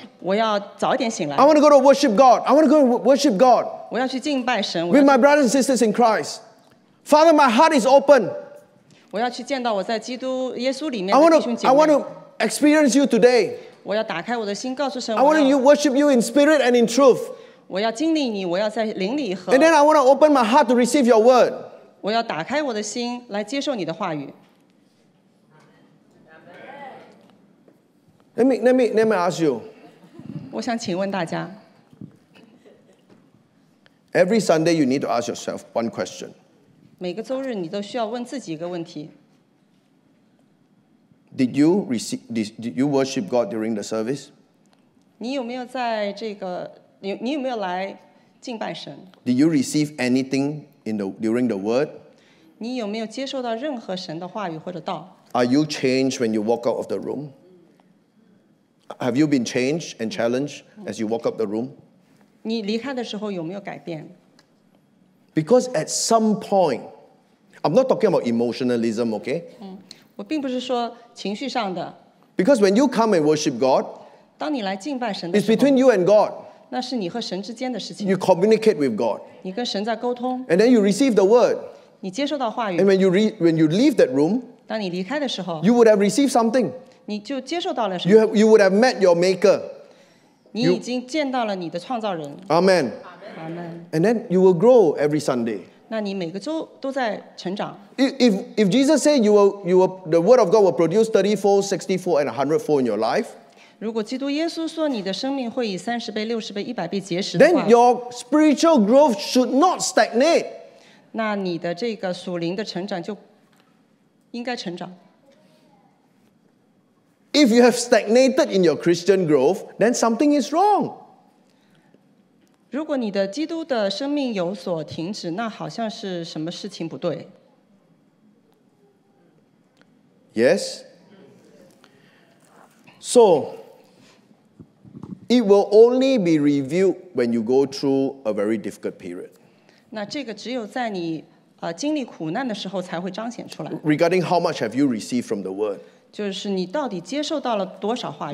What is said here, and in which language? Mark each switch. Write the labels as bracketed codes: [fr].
[zh] 我要早一点醒来。 [en] I want to go to worship God. I want to go to worship God. [zh] 我要去敬拜神。 [en] With my brothers and sisters in Christ. Father, my heart is open. [zh] 我要去见到我在基督耶稣里面的弟兄姐妹。 [en] I want to experience you today. [zh] 我要打开我的心告诉神。 [en] I want to worship you in spirit and in truth. [zh] 我要经历你，我要在灵里和。 [en] And then I want to open my heart to receive your word. [zh] 我要打开我的心来接受你的话语。 [en] Let me ask you. [zh] 我想请问大家。 [en] Every Sunday, you need to ask yourself one question. [zh] 每个周日你都需要问自己一个问题。 [en] Did you worship God during the service? [zh] 你有没有在这个你有没有来敬拜神 [en] ？Did you receive anything during the word? [zh] 你有没有接受到任何神的话语或者道 [en] ？Are you changed when you walk out of the room? Have you been changed and challenged as you walk up the room? [zh] 你离开的时候有没有改变？ [en] Because at some point, I'm not talking about emotionalism, okay? [zh] 我并不是说情绪上的。 [en] Because when you come and worship God, [zh] 当你来敬拜神的时候, [en] it's between you and God. [zh] 那是你和神之间的事情。 [en] You communicate with God. [zh] 你跟神在沟通。 [en] And then you receive the word. [zh] 你接受到话语。 [en] And when you leave that room, [zh] 当你离开的时候, [en] you would have received something. [zh] 你就接受到了什么 [en] you would have met your maker. [zh] 你已经见到了你的创造人。 [en] Amen. And then you will grow every Sunday. [zh] 那你每个周都在成长。 [en] If Jesus say you will, the word of God will produce 30-fold, 60-fold, and 100-fold in your life. [zh] 如果基督耶稣说你的生命会以三十倍、六十倍、一百倍结实的话。 [en] Then your spiritual growth should not stagnate. [zh] 那你的这个属灵的成长就应该成长。 [en] If you have stagnated in your Christian growth, then something is wrong. [zh] 如果你的基督的生命有所停止，那好像是什么事情不对。 [en] Yes. So, it will only be revealed when you go through a very difficult period. [zh] 那这个只有在你经历苦难的时候才会彰显出来。 [en] Regarding how much have you received from the word? [zh] 就是你到底接受到了多少话语。